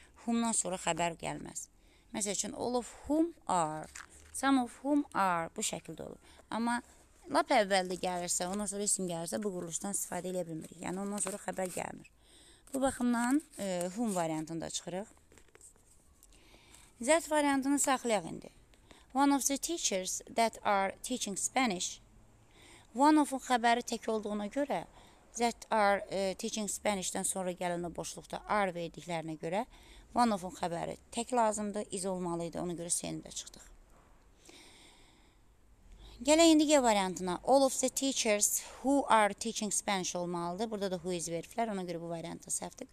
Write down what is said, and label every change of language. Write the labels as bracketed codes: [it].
[az] Whom-dan sonra xəbər gəlməz. Məsəl üçün, [en] all of whom are, some of whom are [az] bu şəkildə olur. Amma lap əvvəldə gəlirsə, ondan sonra isim gəlirsə, bu quruluşdan istifadə edə bilmirik. Yəni, ondan sonra xəbər gəlmir. Bu baxımdan whom variantını da çıxırıq. That variantını saxlayaq indi. [en] One of the teachers that are teaching Spanish... [az] One of-un xəbəri tək olduğuna görə, [en] that are teaching Spanish- [az] dən sonra gələn o boşluqda are verdiklərinə görə, one of-un xəbəri tək lazımdır, is olmalıydı, ona görə S-ni də çıxdıq. Gələk indi G variantına, [en] all of the teachers who are teaching Spanish [az] olmalıdır, burada da who is veriblər, ona görə bu variantı səhvdir.